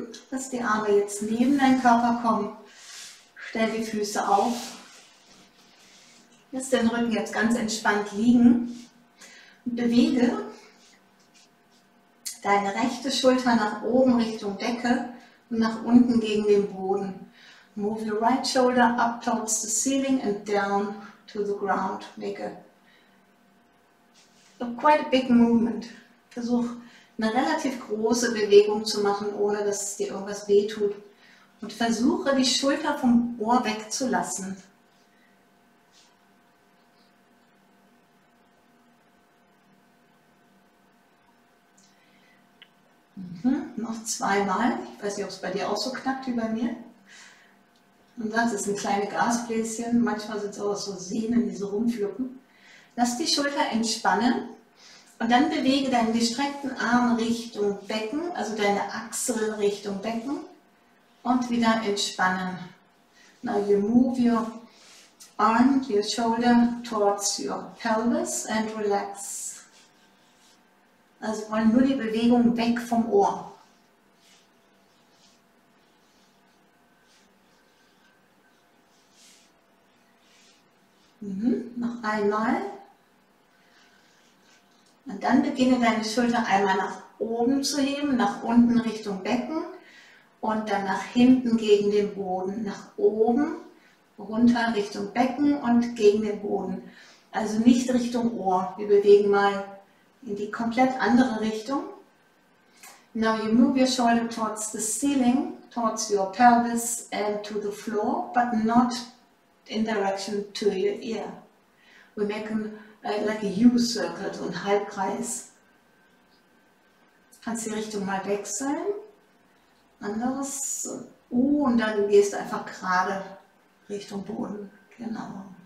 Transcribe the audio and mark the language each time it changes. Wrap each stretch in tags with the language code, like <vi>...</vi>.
<de>Lass die Arme jetzt neben deinen Körper kommen, stell die Füße auf. Lass den Rücken jetzt ganz entspannt liegen. Bewege deine rechte Schulter nach oben Richtung Decke und nach unten gegen den Boden.</de> <en>Move your right shoulder up towards the ceiling and down to the ground. Make a quite a big movement.</en> <de>Versuch eine relativ große Bewegung zu machen, ohne dass es dir irgendwas wehtut. Und versuche die Schulter vom Ohr wegzulassen. Noch zweimal. Ich weiß nicht, ob es bei dir auch so knackt wie bei mir. Und das ist ein kleines Gasbläschen, manchmal sind es auch so Sehnen, die so rumfluppen. Lass die Schulter entspannen und dann bewege deinen gestreckten Arm Richtung Becken, also deine Achsel Richtung Becken und wieder entspannen.</de> <en>Now you move your arm, your shoulder towards your pelvis and relax.</en> <de>Also wollen nur die Bewegung weg vom Ohr. Noch einmal. Und dann beginne deine Schulter einmal nach oben zu heben, nach unten Richtung Becken und dann nach hinten gegen den Boden. Nach oben, runter Richtung Becken und gegen den Boden. Also nicht Richtung Ohr. Wir bewegen mal in die komplett andere Richtung.</de> <en>Now you move your shoulder towards the ceiling, towards your pelvis and to the floor, but not in direction to your ear. We make like a U-circle,</en> <de>so ein Halbkreis. Kannst die Richtung mal wechseln. Anderes U und dann gehst du einfach gerade Richtung Boden. Genau.</de>